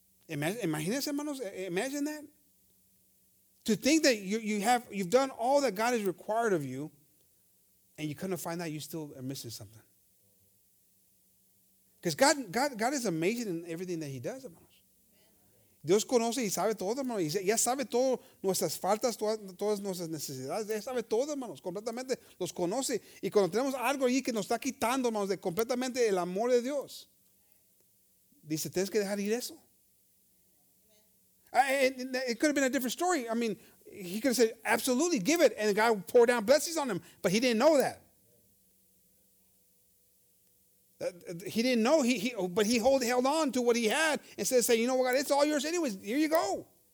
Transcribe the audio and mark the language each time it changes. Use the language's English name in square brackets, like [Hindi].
[Spanish] Imagínense, hermanos, [English] imagine that. To think that you've done all that God has required of you, and you couldn't find out you still are missing something. Because God is amazing in everything that he does, hermanos. [Spanish] Dios conoce y sabe todo, hermanos. Ya sabe todas nuestras faltas, todas nuestras necesidades. Ya sabe todo, hermanos, completamente. Los conoce. Y cuando tenemos algo allí que nos está quitando, hermanos, de completamente el amor de Dios, dice, tienes que dejar ir eso. [English] It could have been a different story. I mean, he could have said, absolutely, give it. And God poured down blessings on him. But he didn't know that. He didn't know, he held on to what he had instead of saying, you know what, God, it's all yours anyways. Here you go.